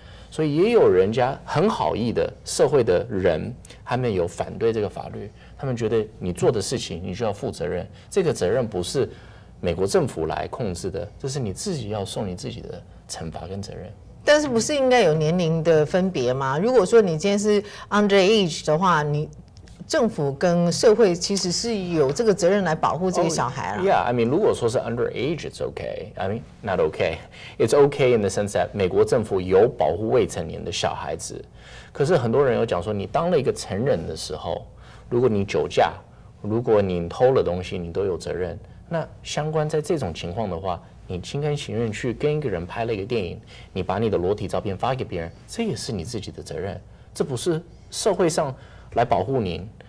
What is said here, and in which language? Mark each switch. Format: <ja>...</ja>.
<zh>所以也有人家很好意的社会的人，他们有反对这个法律，他们觉得你做的事情你就要负责任，这个责任不是美国政府来控制的，这是你自己要受你自己的惩罚跟责任。但是不是应该有年龄的分别吗？如果说你今天是 underage 的话，你政府跟社会其实是有这个责任来保护这个小孩了。</zh> <en>Yeah, I mean,</en> <zh>如果说是</zh> <en>underage, it's okay. I mean, not okay. It's okay in the sense that</en> <zh>美国政府有保护未成年的小孩子。可是很多人有讲说，你当了一个成人的时候，如果你酒驾，如果你偷了东西，你都有责任。那相关在这种情况的话，你心甘情愿去跟一个人拍了一个电影，你把你的裸体照片发给别人，这也是你自己的责任，这不是社会上来保护您。</zh>